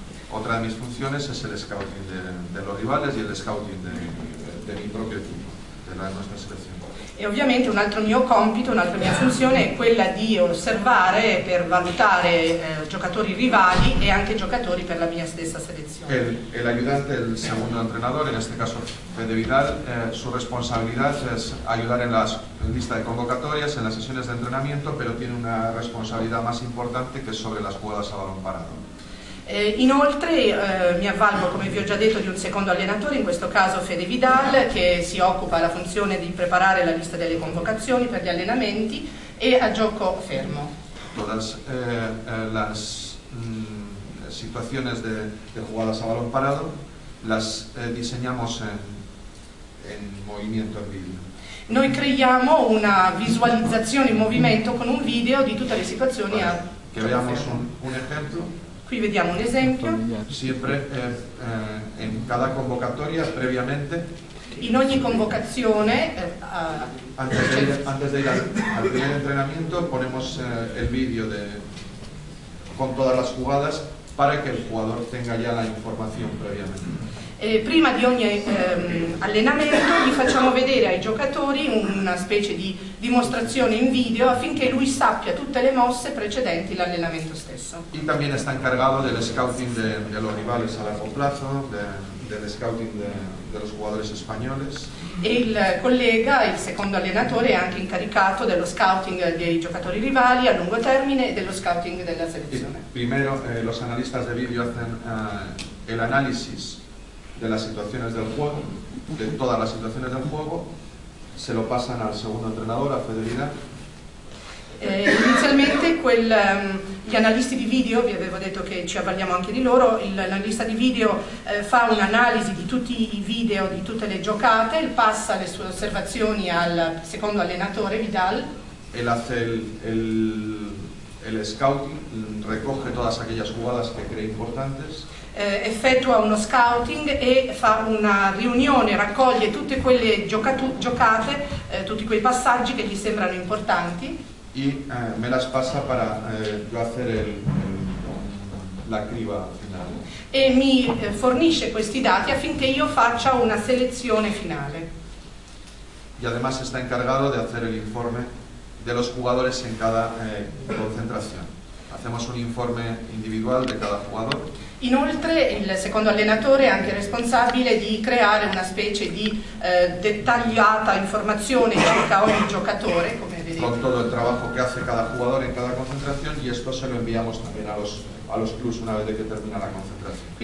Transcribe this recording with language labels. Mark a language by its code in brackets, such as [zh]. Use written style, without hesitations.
[es] Otra de mis funciones es el scouting de los rivales y el scouting de mi propio equipo, de nuestra selección. [it] E ovviamente un altro mio compito, un'altra mia funzione è quella di osservare per valutare giocatori rivali e anche giocatori per la mia stessa selezione. [es] El ayudante, el segundo entrenador, en este caso Fede Vidal, su responsabilidad es ayudar en las listas de convocatorias, en las sesiones de entrenamiento, pero tiene una responsabilidad más importante que sobre las jugadas a balón parado. [it] Inoltre mi avvalgo, come vi ho già detto, di un secondo allenatore, in questo caso Fede Vidal, che si occupa della funzione di preparare la lista delle convocazioni per gli allenamenti e a gioco fermo. [es] Todas las situaciones de jugadas a balón parado las diseñamos en movimiento en vivo. [it] Noi creiamo una visualizzazione in movimento con un video di tutte le situazioni a gioco fermo. Vediamo un esempio. Qui vediamo un esempio. [es] Siempre en cada convocatoria previamente. [it] In ogni convocazione. [es] Antes de ir al primer entrenamiento ponemos el vídeo con todas las jugadas para que el jugador tenga ya la información previamente. [it] Prima di ogni allenamento gli facciamo vedere ai giocatori una specie di dimostrazione in video affinché lui sappia tutte le mosse precedenti l'allenamento stesso. [es] E también está encargado del scouting de los rivales a largo plazo, del scouting de los jugadores españoles. [it] E il collega, il secondo allenatore, è anche incaricato dello scouting dei giocatori rivali a lungo termine e dello scouting della selezione. [es] Primero, los analistas de video hacen el análisis de las situaciones del juego, de todas las situaciones del juego, se lo pasan al segundo entrenador, a Fede Vidal. [it] Inizialmente gli analisti di video, vi avevo detto che ci avvaliamo anche di loro, l'analista di video fa un'analisi di tutti i video, di tutte le giocate, passa le sue osservazioni al secondo allenatore, Vidal. [es] Él hace el scouting, recoge todas aquellas jugadas que cree importantes. [it] Effettua uno scouting e fa una riunione, raccoglie tutte quelle giocate, tutti quei passaggi che gli sembrano importanti. E [es] me las [it] passa per fare la criba finale. E mi fornisce questi dati affinché io faccia una selezione finale. [es] E además está encargado de hacer el informe de los jugadores en cada concentración. Hacemos un informe individual de cada jugador. [it] Inoltre il secondo allenatore è anche responsabile di creare una specie di dettagliata informazione circa ogni giocatore, come vedete. Con tutto il lavoro che [es] hace cada [it] giocatore in [es] cada [it] concentrazione, e questo se lo inviamo anche [es] a los clubs una vez [it] che termina la concentrazione.